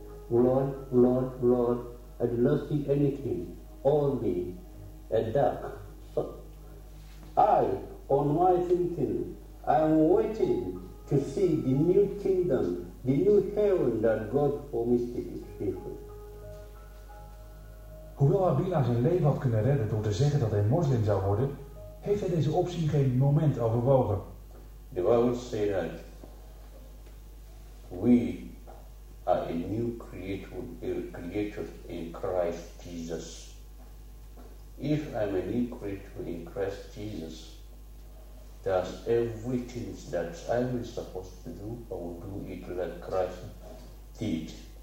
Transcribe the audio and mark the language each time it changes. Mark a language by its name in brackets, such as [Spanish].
[English] Blood, blood, blood. I did not see anything. Only a duck. So I, on my thinking, I am waiting to see the new kingdom, the new heaven that God promised to his people. [Dutch] Hoewel Habila zijn leven had kunnen redden door te zeggen dat hij moslim zou worden, heeft hij deze optie geen moment overwogen. [English] The Bible says that we are a new creature in Christ Jesus. If I'm a new creature in Christ Jesus, does everything that I was supposed to do, I will do it like Christ did.